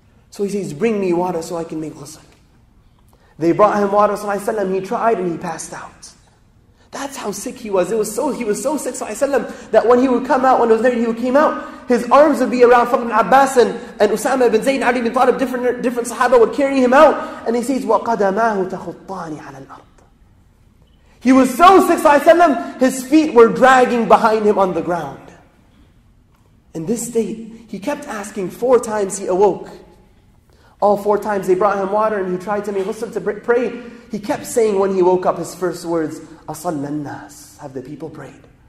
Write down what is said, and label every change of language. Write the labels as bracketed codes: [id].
[en] So he says, bring me water so I can make ghusl. They brought him water, sallallahu alayhi wa sallam. He tried and he passed out. That's how sick he was. He was so sick, sallallahu alayhi wa sallam, that when he would come out, when he was there, he would came out, his arms would be around Fadl ibn Abbas and Usama ibn Zayd, Ali ibn Talib, different sahaba would carry him out. And he says, [ar] وَقَدَمَاهُ تَخُطَّانِ عَلَى الْأَرْضِ. [en] He was so sick, sallallahu alayhi wa sallam, his feet were dragging behind him on the ground. In this state, he kept asking four times he awoke. All four times they brought him water and he tried to make ghusl to pray. He kept saying when he woke up his first words, [ar] أَصَلَّ النَّاسِ. [en] Have the people prayed?